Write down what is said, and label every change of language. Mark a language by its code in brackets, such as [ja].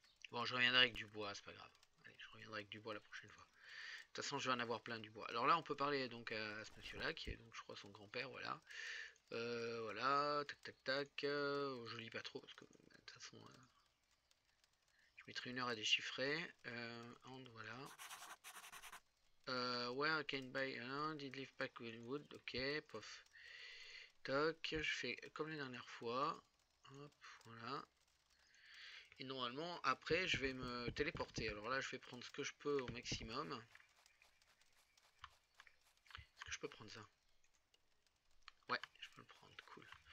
[fr] Bon, je reviendrai avec du bois, c'est pas grave. Allez, je reviendrai avec du bois la prochaine fois. De toute façon, je vais en avoir plein du bois. Alors là, on peut parler donc à ce monsieur-là, qui est donc je crois son grand-père, voilà. Voilà, tac tac tac. Je lis pas trop, parce que de toute façon. Je mettrai une heure à déchiffrer. Voilà. [en] Where can buy a deadleaf pack of wood? [fr] Ok, pof. Toc, je fais comme la dernière fois. Hop, voilà. Et normalement, après, je vais me téléporter. Alors là, je vais prendre ce que je peux au maximum. Est-ce que je peux prendre ça? Ouais, je peux le prendre. Cool.